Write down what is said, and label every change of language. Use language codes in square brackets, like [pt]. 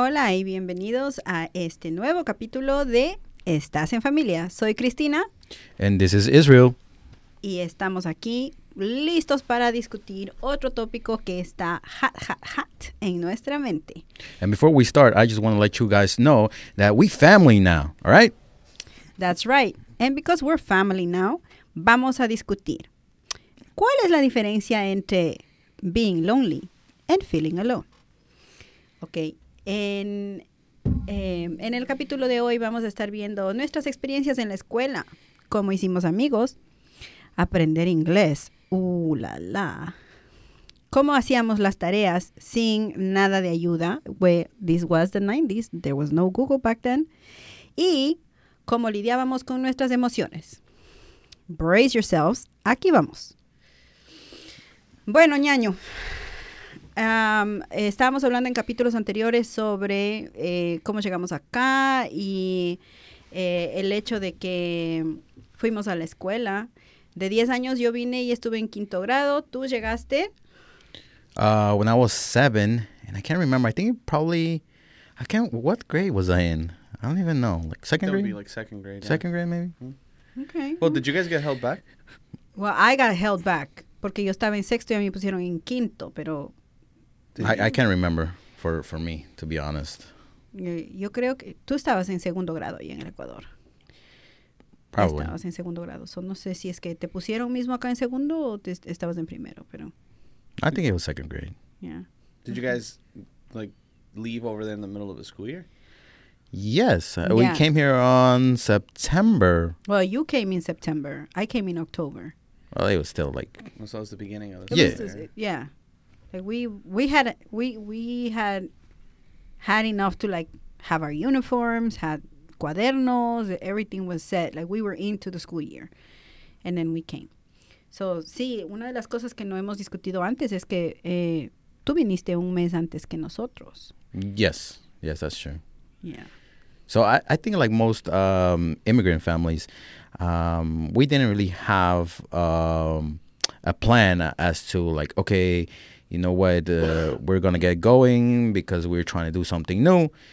[es] y bienvenidos a este nuevo capítulo de Estás en Familia. Soy Cristina. [en] And this is Israel. [es] Y estamos aquí listos para discutir otro tópico que está hot, hot, hot en nuestra mente. [en] And before we start, I just want to let you guys know that we family now, all right? That's right. And because we're family now, [es] vamos a discutir. ¿Cuál es la diferencia entre [en] being lonely and feeling alone? Okay. [es] En el capítulo de hoy vamos a estar viendo nuestras experiencias en la escuela, cómo hicimos amigos, aprender inglés, la la, cómo hacíamos las tareas sin nada de ayuda. [en] This was the 90s, there was no Google back then, [es] y cómo lidiábamos con nuestras emociones. [en] Brace yourselves, [es] aquí vamos. Bueno, ñaño. Estábamos hablando en capítulos anteriores sobre cómo llegamos acá y el hecho de que fuimos a la escuela. De 10 años yo vine y estuve en quinto grado. ¿Tú llegaste? [en] When I was 7, and I can't remember, what grade was I in? I don't even know. Like second grade? That would be like second grade. Second grade, maybe? Okay. Well, did you guys get held back? Well, I got held back [es] porque yo estaba en sexto y a mí me pusieron en quinto, pero... [en] I can't remember for me, to be honest. [es] Yo creo que tú estabas en segundo grado y en el Ecuador. [en] Probably. [es] Estabas en segundo grado. So no sé si es que te pusieron mismo acá en segundo o estabas en primero, pero... [en] I think it was second grade. Yeah. Did you guys, like, leave over there in the middle of the school year? Yes. Yeah. We came here on September. Well, you came in September. I came in October. Well, it was still, like... So it was the beginning of the year. Yeah. Like we had enough to like have our uniforms, had cuadernos, everything was set. Like we were into the school year, and then we came. [es] So sí, una de las cosas que no hemos discutido antes es que tú viniste un mes antes que nosotros. [en] Yes, that's true. Yeah. So I think like most immigrant families, we didn't really have a plan as to like okay. You know what, we're going to get going because we're trying to do something new.